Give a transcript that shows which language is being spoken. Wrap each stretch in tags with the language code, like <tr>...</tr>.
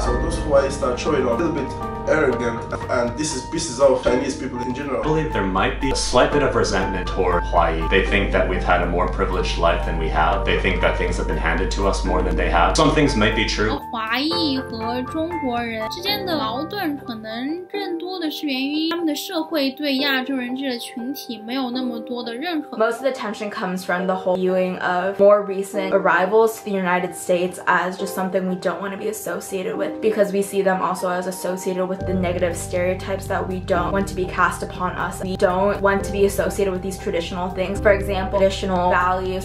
<en>So those Huayis that show a little bit arrogant and this is pisses off Chinese people in general. I believe there might be a slight bit of resentment toward Huayi. They think that we've had a more privileged life than we have. They think that things have been handed to us more than they have. Some things might be true.</en> <zh>华裔和中国人之间的矛盾可能更多的是源于他们的社会对亚洲人这个群体没有那么多的认可。</zh> <en>Most of the tension comes from the whole viewing of more recent arrivals to the United States as just something we don't want to be associated with because we see them also as associated with the negative stereotypes that we don't want to be cast upon us. We don't want to be associated with these traditional things. For example, traditional values.</en>